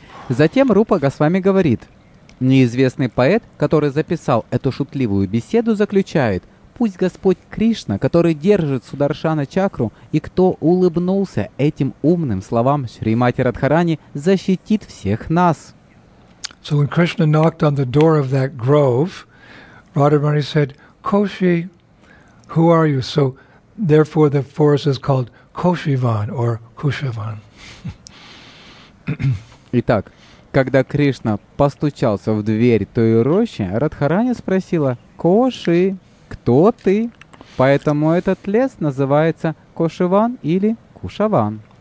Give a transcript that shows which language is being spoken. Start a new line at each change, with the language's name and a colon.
Russian: Затем Рупа Госвами говорит, неизвестный поэт, который записал эту шутливую беседу, заключает, пусть Господь Кришна, который держит Сударшана чакру, и кто улыбнулся этим умным словам Шримати Радхарани, защитит всех нас.
English: So when Krishna knocked on the door of that grove, Radharani said, Koshi, who are you? So therefore the forest is called Koshivan or Kushivan.
Russian: Итак, когда Кришна постучался в дверь той рощи, Радхарани спросила, Коши, кто ты? Поэтому этот лес называется Кошиван или Кушаван.